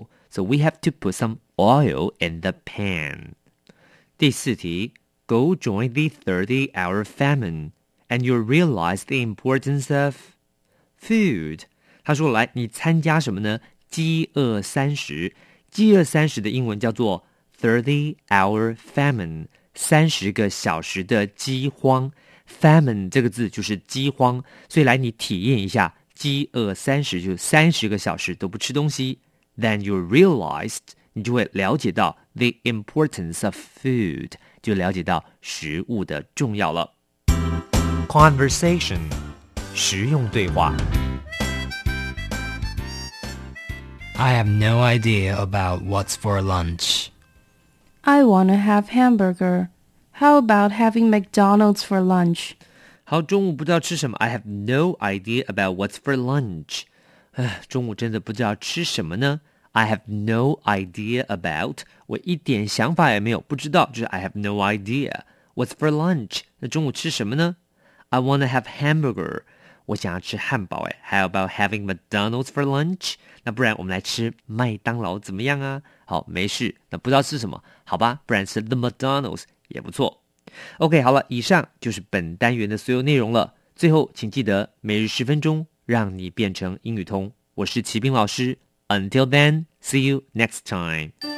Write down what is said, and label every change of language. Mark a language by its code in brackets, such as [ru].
[en] so we have to put some oil in the pan [zh] 第四题 [en] go join the 30-hour famine and you'll realize the importance of food [zh] 他说来你参加什么呢饥饿三十饥饿三十的英文叫做 30-hour famine 三十个小时的饥荒Famine 这个字就是饥荒，所以来你体验一下饥饿三十，就三十个小时都不吃东西。 [en] Then you realized [zh] 你就会了解到 [en] the importance of food， [zh] 就了解到食物的重要了。 Conversation 实用对话。 [en] I have no idea about what's for lunch. I want to have hamburger. How about having McDonald's for lunch? [zh] 好，中午不知道吃什么。 [en] I have no idea about what's for lunch. [zh] 中午真的不知道吃什么呢。 [en] I have no idea about. [zh] 我一点想法也没有，不知道，就是 [en] I have no idea. What's for lunch? [zh] 那中午吃什么呢 ？ [en] I want to have hamburger. [zh] 我想要吃汉堡哎。 [en] How about having McDonald's for lunch? [zh] 那不然我们来吃麦当劳怎么样啊？好，没事。那不知道吃什么，好吧，不然吃 the McDonald's。也不错 OK 好了以上就是本单元的所有内容了最后请记得每日十分钟让你变成英语通我是齐兵老师 [en] Until then See you next time